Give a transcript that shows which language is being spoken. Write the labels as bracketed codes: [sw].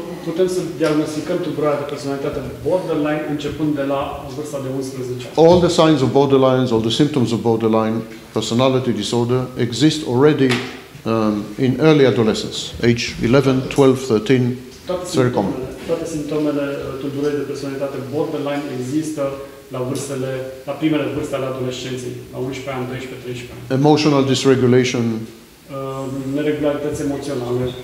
[ro] Putem să diagnosticăm tulburarea de personalitate borderline începând de la vârsta de 11 ani. [en] All the signs of borderline, all the symptoms of borderline personality disorder exist already in early adolescence, age 11, 12, 13. It's very common. [ro] Toate simptomele tulburării de personalitate borderline există la primele vârste ale adolescenței, la 11 ani, 12, 13 ani. [en] Emotional dysregulation, [ro] neregularități emoționale,